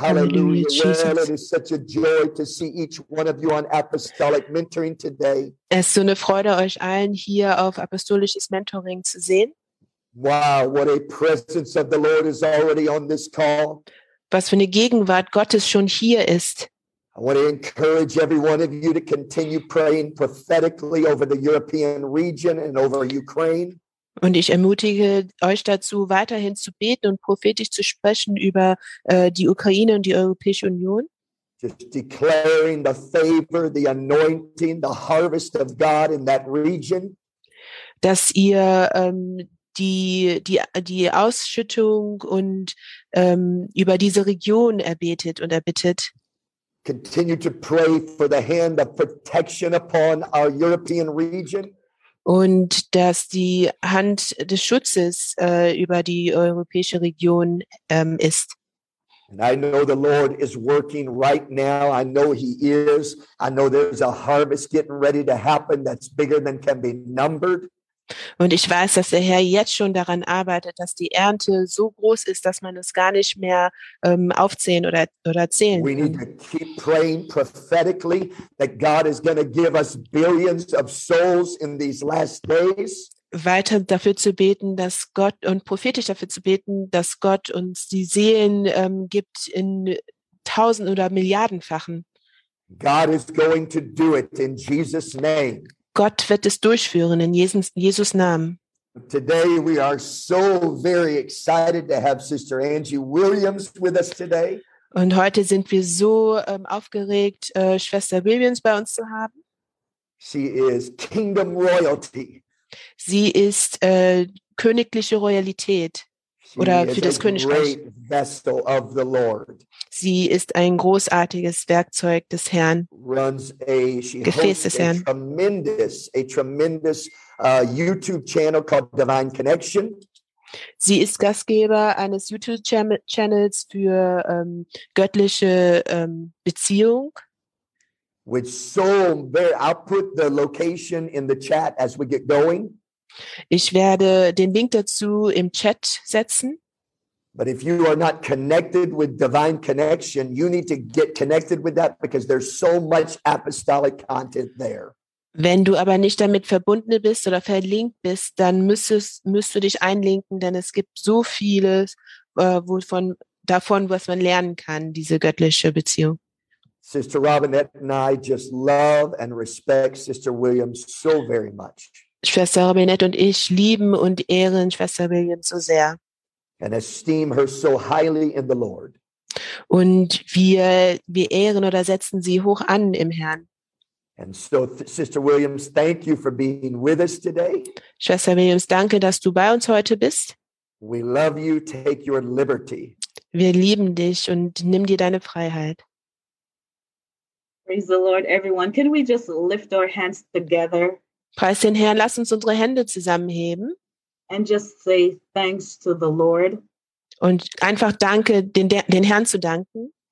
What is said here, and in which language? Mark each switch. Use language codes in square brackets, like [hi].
[en] Hallelujah, Jesus. It is such a joy to see each one of you on Apostolic Mentoring today. [de] Es ist so eine Freude, euch allen hier auf Apostolisches Mentoring zu sehen. [en] Wow, what a presence of the Lord is already on this call. [de] Was für eine Gegenwart Gottes schon hier ist. [en] I want to encourage every one of you to continue praying prophetically over the European region and over Ukraine. [de] Und ich ermutige euch dazu, weiterhin zu beten und prophetisch zu sprechen über die Ukraine und die Europäische Union. [en] Just declaring the favor, the anointing, the harvest of God in that region. [de] Dass ihr die Ausschüttung und über diese Region erbetet und erbittet. [en] Continue to pray for the hand of protection upon our European region. [de] Und dass die Hand des Schutzes über die europäische Region ist. [en] And I know the Lord is working right now. I know he is. I know there's a harvest getting ready to happen that's bigger than can be numbered. [de] Und ich weiß, dass der Herr jetzt schon daran arbeitet, dass die Ernte so groß ist, dass man es gar nicht mehr aufzählen oder zählen kann. [en] We need to keep praying prophetically that God is going to give us billions of souls in these last days. [de] Weiter dafür zu beten, dass Gott und prophetisch dafür zu beten, dass Gott uns die Seelen gibt in tausend oder Milliardenfachen. [en] God is going to do it in Jesus' name. [de] Gott wird es durchführen in Jesus Namen. [en] Today we are so very excited to have Sister Angie Williams with us today. [de] Und heute sind wir so aufgeregt, Schwester Williams bei uns zu haben. [en] She is kingdom royalty. [de] Sie ist königliche Royalität oder für das Königreich. [en] Great vessel of the Lord. [de] Sie ist ein großartiges Werkzeug des Herrn. [en] Runs a, she [de] Gefäß [en] holds [de] des Herrn. [en] A tremendous YouTube channel called Divine Connection. [de] Sie ist Gastgeber eines YouTube-Channels für göttliche Beziehung. [en] Which so very, I'll put the location in the chat as we get going. [de] Ich werde den Link dazu im Chat setzen. [en] But if you are not connected with Divine Connection, you need to get connected with that because there's so much apostolic content there. [de] Wenn du aber nicht damit verbunden bist oder verlinkt bist, dann müsst du dich einlinken, denn es gibt so vieles davon, was man lernen kann, diese göttliche Beziehung. [en] Sister Robinette and I just love and respect Sister Williams so very much. [de] Schwester Robinette und ich lieben und ehren Schwester Williams so sehr. [en] And esteem her so highly in the Lord. [de] Und wir ehren oder setzen sie hoch an im Herrn. [en] And so, Sister Williams, thank you for being with us today. [de] Schwester Williams, danke, dass du bei uns heute bist. [en] We love you. Take your liberty. [de] Wir lieben dich und nimm dir deine Freiheit. [en] Praise the Lord, everyone. Can we just lift our hands together? [de] Preis den Herrn, lass uns unsere Hände zusammenheben. [en] And just say thanks to the Lord. [de] Und einfach danke, den Herrn zu danken.